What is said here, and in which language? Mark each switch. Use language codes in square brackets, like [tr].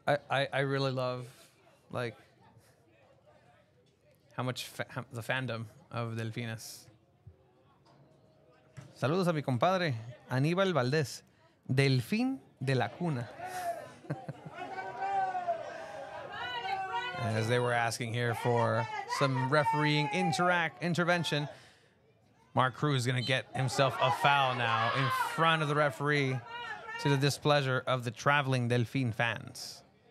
[en] I really love, like, how much the fandom of Delfines. [es] Saludos a mi compadre, Aníbal Valdés, Delfín de la Cuna. [en] As they were asking here for some refereeing intervention, Mark Cruz is going to get himself a foul now in front of the referee to the displeasure of the traveling Delfín fans.